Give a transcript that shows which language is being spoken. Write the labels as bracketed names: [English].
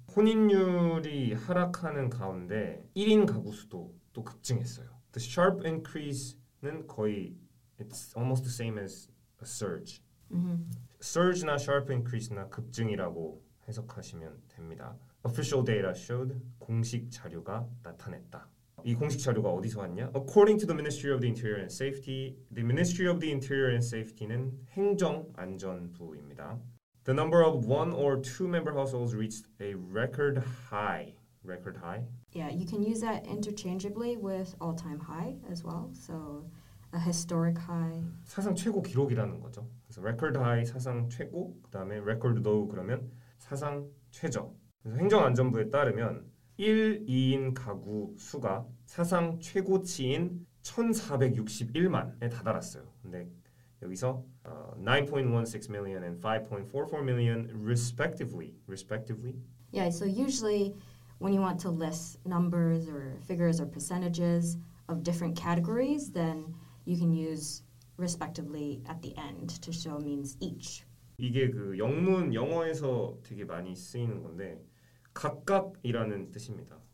[Korean] 혼인율이 하락하는 가운데 1인 가구 수도 또 급증했어요. [English] The sharp increase는 [Korean] 거의 [English] it's almost the same as a surge. Mm-hmm. [Korean] Surge나 sharp increase나 급증이라고 해석하시면 됩니다. [English] Official data showed [Korean] 공식 자료가 나타냈다. 이 공식 자료가 어디서 왔냐? [English] According to the Ministry of the Interior and Safety, the Ministry of the Interior and Safety는 [Korean] 행정안전부입니다. [English] The number of one or two member households reached a record high. Record high? Yeah, you can use that interchangeably with all-time high as well. So, a historic high. [Korean] 사상 최고 기록이라는 거죠. 그래서 record high, 사상 최고, 그 다음에 record low, 그러면 사상 최저. 그래서 행정안전부에 따르면 1, 2인 가구 수가 사상 최고치인 1,461만에 다다랐어요. 근데 여기서 [English] 9.16 million and 5.44 million respectively. Yeah, so usually when you want to list numbers or figures or percentages of different categories, then you can use respectively at the end to show means each. [Korean] 이게 그 영문 영어에서 되게 많이 쓰이는 건데 각각이라는 뜻입니다.